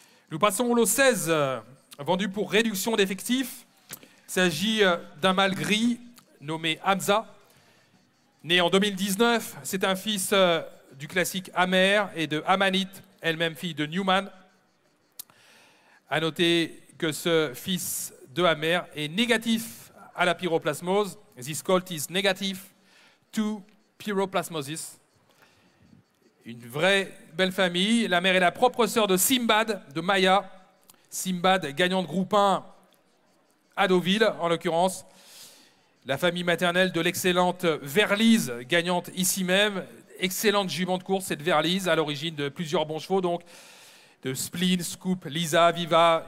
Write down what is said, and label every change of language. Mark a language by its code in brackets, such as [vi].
[fr] Nous passons au lot 16, vendu pour réduction d'effectifs, il s'agit d'un mâle gris nommé Hamza. Né en 2019, c'est un fils du classique Amer et de Amanit, elle-même fille de Newman. A noter que ce fils de Amer est négatif à la pyroplasmose. [en] This colt is negative to pyroplasmosis. [fr] Une vraie belle famille. La mère est la propre sœur de Simbad, de Maya. Simbad, gagnant de groupe 1 à Deauville, en l'occurrence. La famille maternelle de l'excellente Verlise, gagnante ici même. Excellente jument de course, cette Verlise, à l'origine de plusieurs bons chevaux, donc de Spleen, Scoop, Lisa, Viva.